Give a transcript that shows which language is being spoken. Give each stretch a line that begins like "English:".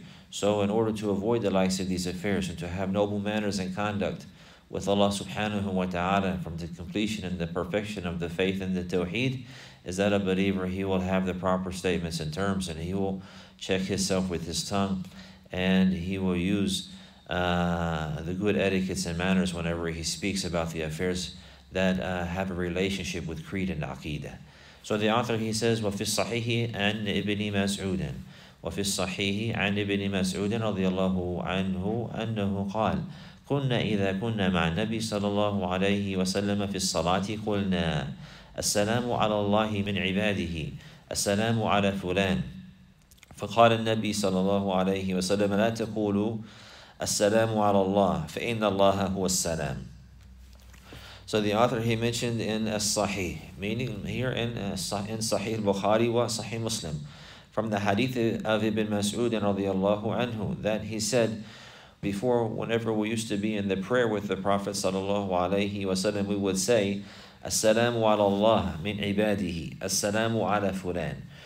English: So in order to avoid the likes of these affairs and to have noble manners and conduct with Allah subhanahu wa ta'ala, from the completion and the perfection of the faith and the tawheed, is that a believer, he will have the proper statements and terms, and he will check himself with his tongue, and he will use the good etiquettes and manners whenever he speaks about the affairs that have a relationship with creed and aqidah. So the author, he says,
Arabic: وَفِي الصَّحِيحِ أَنْ إِبْنِ مَسْعُودٍ وفي الصحيح عن ابن مسعود رضي الله عنه أنه قال كنا إذا كنا مع النبي صلى الله عليه وسلم في الصلاة قلنا السلام على الله من عباده السلام على فلان فقال النبي صلى الله عليه وسلم لا تقولوا السلام على الله فإن الله هو السلام.
English: So the author, he mentioned in الصحيح, meaning here in صحيح البخاري وصحيح مسلم, from the hadith of Ibn Mas'ud radiallahu anhu, that he said before, whenever we used to be in the prayer with the Prophet sallallahu alayhi wa sallam, we would say as-salamu ala Allah min ibadihi, as-salamu ala fulan.